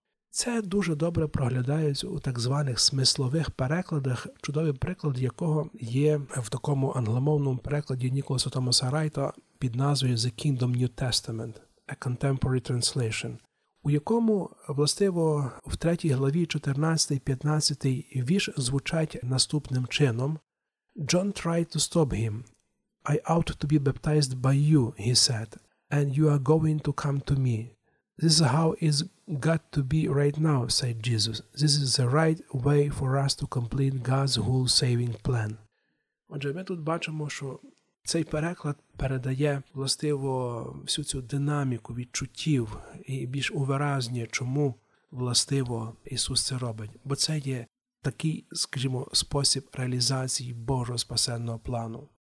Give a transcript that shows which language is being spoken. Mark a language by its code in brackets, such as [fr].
[uk] Це дуже добре проглядається у так званих смислових перекладах, чудовий приклад якого є в такому англомовному перекладі Ніколаса Томаса Райта під назвою «The Kingdom New Testament – A Contemporary Translation», у якому, властиво, в 3 главі 14-15 вірш звучать наступним чином: [en] «John tried to stop him. I ought to be baptized by you, he said, and you are going to come to me. This is how it's got to be right now, said Jesus. This is the right way for us to complete God's whole saving plan». [uk] Отже, ми тут бачимо, що цей переклад передає, властиво, всю цю динаміку відчуттів і більш увиразнює, чому, властиво, Ісус це робить. Бо це є такий, скажімо, спосіб реалізації Божого спасенного плану.